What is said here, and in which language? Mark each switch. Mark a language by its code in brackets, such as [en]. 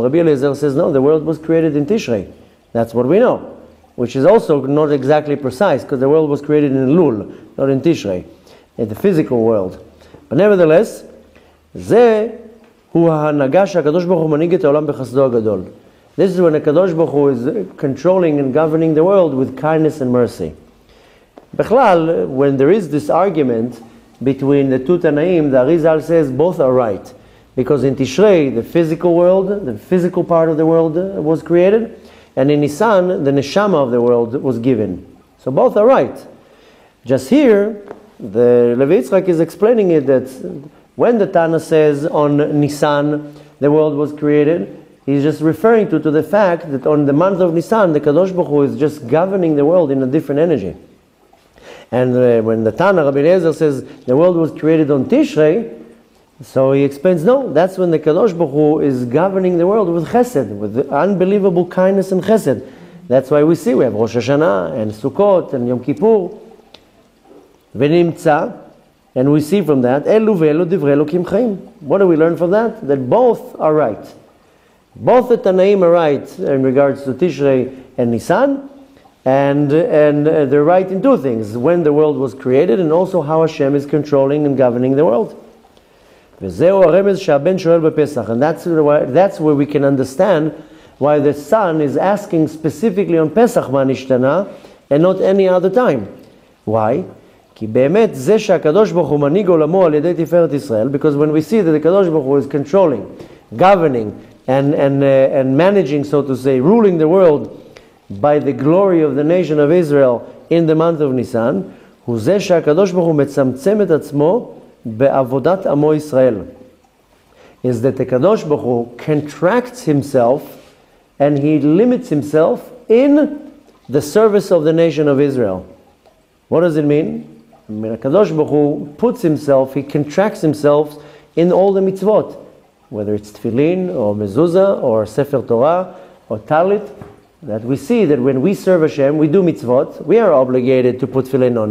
[en] Rabbi Eliezer says, no, the world was created in Tishrei. That's what we know, which is also not exactly precise because the world was created in Elul, not in Tishrei. In the physical world. But nevertheless, [he] זה הוא ההנהגה שהקדוש ברוך הוא מנהיג את העולם בחסדו הגדול. [en] This is when the Kadosh Baruch Hu is controlling and governing the world with kindness and mercy. [he] בכלל, [en] when there is this argument between the two Tanaim, the Arizal says both are right. Because in Tishrei, the physical world, the physical part of the world was created, and in Nisan, the neshama of the world was given. So both are right. Just here, the Levi Yitzchak is explaining it that when the Tana says on Nisan the world was created, he's just referring to the fact that on the month of Nisan the Kadosh Baruch Hu is just governing the world in a different energy. And when the Tana, Rabbi Eliezer, says the world was created on Tishrei, so he explains, no, that's when the Kadosh Baruch Hu is governing the world with chesed, with unbelievable kindness and chesed. That's why we see we have Rosh Hashanah and Sukkot and Yom Kippur. [he] ונמצא, [en] and we see from that, [he] אלו ואלו דברי אלוקים חיים. [en] What do we learn from that? That both are right. Both the Tanaim are right in regards to Tishrei and Nisan, and they're right in two things, when the world was created, and also how Hashem is controlling and governing the world. [he] וזהו הרמז שהבן שואל בפסח. [en] And that's where we can understand why the son is asking specifically on Pesach [he] מה נשתנה, [en] and not any other time. Why? [he] כי באמת זה שהקדוש ברוך הוא מנהיג עולמו על ידי תפארת ישראל, [en] because when we see that the Kadosh Baruch Hu is controlling, governing, and managing, so to say, ruling the world by the glory of the nation of Israel in the month of Nisan, [he] הוא זה שהקדוש ברוך הוא מצמצם את עצמו בעבודת עמו ישראל. [en] Is that the Kadosh Baruch Hu contracts himself and he limits himself in the service of the nation of Israel. What does it mean? Kadosh Baruch Hu puts himself, he contracts himself in all the mitzvot, whether it's tefillin or mezuzah or sefer Torah or talit, that we see that when we serve Hashem, we do mitzvot, we are obligated to put tefillin on.